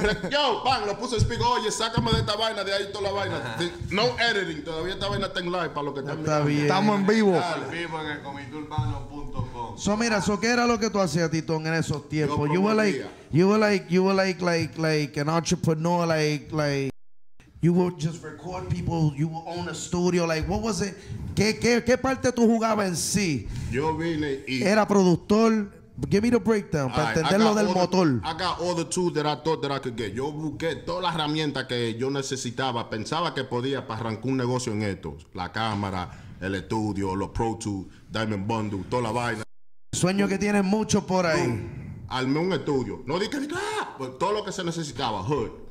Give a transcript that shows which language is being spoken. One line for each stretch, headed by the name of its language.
Spanish: Yo, pan, le puse el speak. Oye, sácame de esta vaina, de ahí toda la vaina.
English: No editing,
Spanish: todavía esta vaina está en live para lo que está bien. Estamos en vivo. Estamos en vivo en el comitourbano.com. So, mira, so, ¿qué era lo que tú hacías, Titón, en esos tiempos?
English: Yo you were like an entrepreneur, like. You would just record people, you would own a studio, like, what was it?
Spanish: ¿Qué parte tú jugabas en sí? Yo vine y... Era productor.
English: Give me the breakdown,
Spanish: para entender lo del motor.
English: I got all the tools that I thought that I could get.
Spanish: Yo busqué todas las herramientas que yo necesitaba, pensaba que podía para arrancar un negocio en esto. La cámara, el estudio, los Pro Tools, Diamond Bundle, toda la vaina. Sueño que tienes mucho por ahí. Armé un estudio. No dije, pues todo lo que se necesitaba, hood.